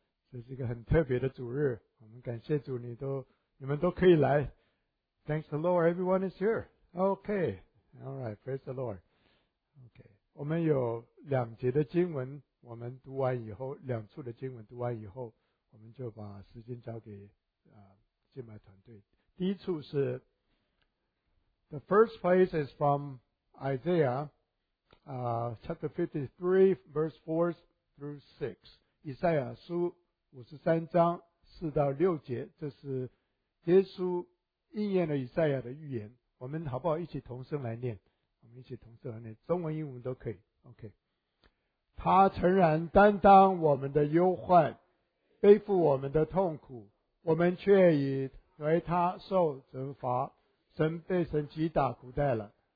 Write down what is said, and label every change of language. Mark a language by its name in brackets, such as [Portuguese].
[Chinese] 这是一个很特别的主日，我们感谢主，你们都可以来。 [English] Thanks the Lord, everyone is here. Okay, all right, praise the Lord. [Chinese] Okay, 我们有两节的经文，我们读完以后，两处的经文读完以后，我们就把时间交给敬拜团队。第一处是 [English] The first place is from Isaiah chapter 53 verse 4 through 6. [Chinese] 以赛亚书53章4到6节，这是耶稣应验了以赛亚的预言。我们好不好一起同声来念？我们一起同声来念，中文英文都可以。 OK， 他诚然担当我们的忧患，背负我们的痛苦，我们却以为他受责罚，神被神击打苦待了。